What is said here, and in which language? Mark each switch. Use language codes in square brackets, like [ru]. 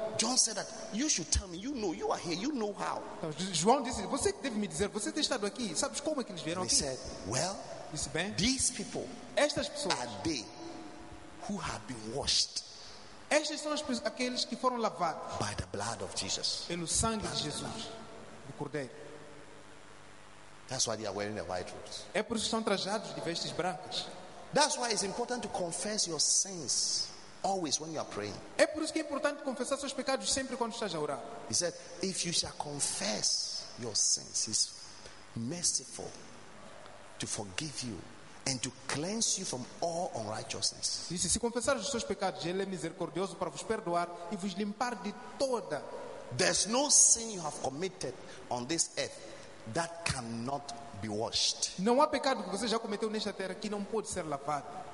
[en] John said that you should tell me, you know, you are here, you know how. [pt] Então, João disse, você deve me dizer, você tem estado aqui, sabes como é que eles vieram [en] they [pt] aqui? [en] Said, well, [pt] disse bem, [en] these people, [pt] estas pessoas, [en] are they who have been washed. [pt] Estas são as pessoas, aqueles que foram lavados [en] by the blood of Jesus. [pt] Pelo sangue de Jesus, do Cordeiro. [en] That's why they are wearing the white robes. [pt] É por isso que estão trajados de vestes brancas. [en] That's why it's important to confess your sins always when you are praying. [pt] É por isso que é importante confessar seus pecados sempre quando estás a orar. [en] He said, if you shall confess your sins, he's merciful to forgive you and to cleanse you from all unrighteousness. [pt] Disse, se confessar os seus pecados, ele é misericordioso para vos perdoar e vos limpar de toda. [en] There's no sin you have committed on this earth that cannot be washed. [pt] Não há pecado que você já cometeu nesta terra que não pode ser lavado.